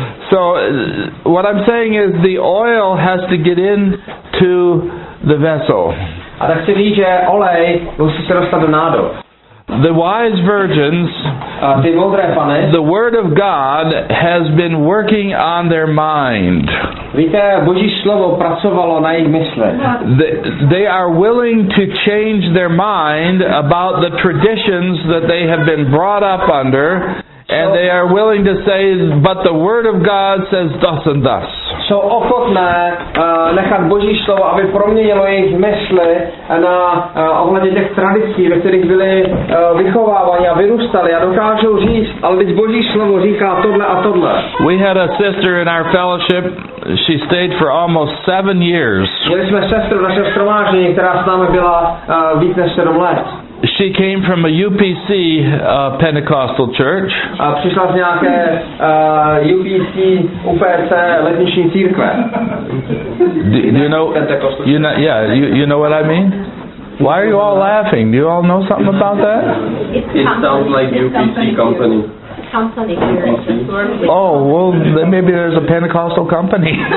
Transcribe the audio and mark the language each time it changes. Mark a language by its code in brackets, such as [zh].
[en] So what I'm saying is the oil has to get in to the vessel. [cs] A tak si ví, že olej musí se dostat do nádob. [en] The wise virgins, [cs] ty moudré pany, [en] the word of God has been working on their mind. [cs] Víte, Boží slovo pracovalo na jejich mysli. [en] They are willing to change their mind about the traditions that they have been brought up under. And they are willing to say, but the word of God says thus and thus. [cs] Jsou ochotné nechat Boží slovo, aby proměnilo jejich mysli na ohledně těch tradicí, ve kterých byli vychovávaní a vyrůstali a dokážou říct, ale když Boží slovo říká tohle a tohle. [en] We had a sister in our fellowship. She stayed for almost 7 years. [cs] Měli jsme sestru v našem shromáždění, která s námi byla víc než 7 let. [en] She came from a UPC Pentecostal church. [cs] A přišla z nějaké UPC UPC letniční církve. [en] Do you know what I mean? Why are you all laughing? Do you all know something about that? It sounds like UPC company. Oh, well, then maybe there's a Pentecostal company.